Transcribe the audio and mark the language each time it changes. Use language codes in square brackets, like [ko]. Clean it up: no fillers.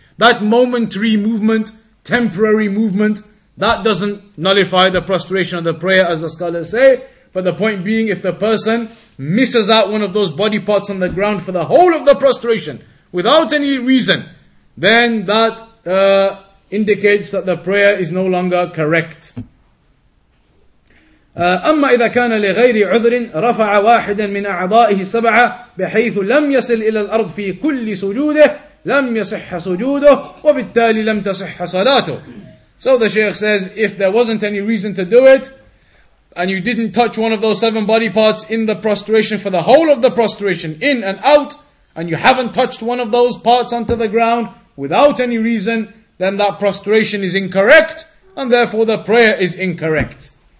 [en] That momentary movement, temporary movement, that doesn't nullify the prostration of the prayer, as the scholars say. But the point being, if the person misses out one of those body parts on the ground for the whole of the prostration, without any reason, then that indicates that the prayer is no longer correct. [ar] أما إذا كان لغير عذر رفع واحدا من أعضائه سبعة بحيث لم يصل إلى الأرض في كل سجوده لم يصح سجوده وبالتالي لم تصح صلاته. [en] So the Shaykh says, if there wasn't any reason to do it, and you didn't touch one of those seven body parts in the prostration for the whole of the prostration, in and out, and you haven't touched one of those parts onto the ground without any reason, then that prostration is incorrect, and therefore the prayer is incorrect.